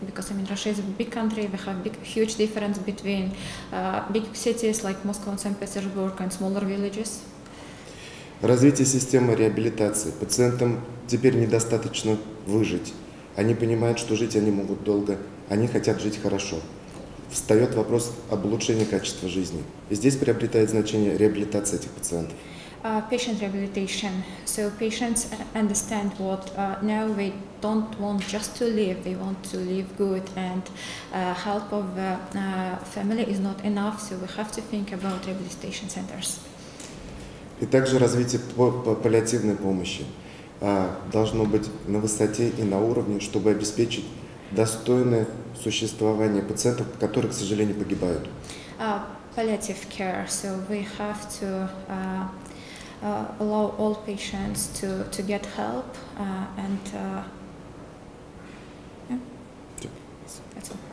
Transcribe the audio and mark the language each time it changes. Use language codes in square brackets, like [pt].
[en] Because, I mean, Russia is a big country, we have big, huge difference between big cities like Moscow and St. Petersburg and smaller villages. [ru] Развитие системы реабилитации. Пациентам теперь недостаточно выжить. Они понимают, что жить они могут долго, они хотят жить хорошо. Встает вопрос об улучшении качества жизни. И здесь приобретает значение реабилитация этих пациентов. [en] Patient rehabilitation. So patients understand what now they don't want just to live, they want to live good, and help of the family is not enough, so we have to think about rehabilitation centers. [ru] И также развитие паллиативной помощи должно быть на высоте и на уровне, чтобы обеспечить достойное существование пациентов, которые, к сожалению, погибают. [en] Palliative care. So we have to allow all patients to get help and that's all.